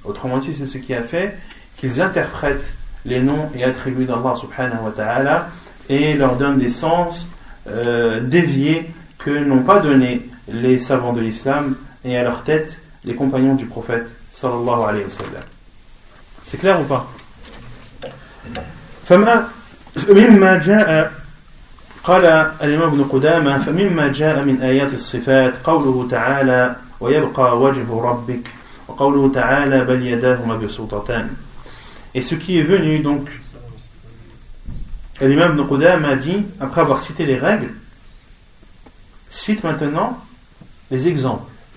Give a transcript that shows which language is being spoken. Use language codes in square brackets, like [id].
[fr] Autrement dit, c'est ce qui a fait qu'ils interprètent les noms et attributs d'Allah subhanahu wa ta'ala et leur donnent des sens déviés que n'ont pas donné les savants de l'islam et à leur tête les compagnons du prophète sallallahu alayhi wa sallam. C'est clair ou pas? [ar] Fama مما جاء قال الإمام ابن قدامة فمما جاء من آيات الصفات قوله تعالى ويبقى وجه ربك وقوله تعالى بل يداه مبسوطتان. [fr] Et ce qui est venu, donc l'imam ibn Qudama a dit, après avoir cité les règles, cite maintenant les exemples.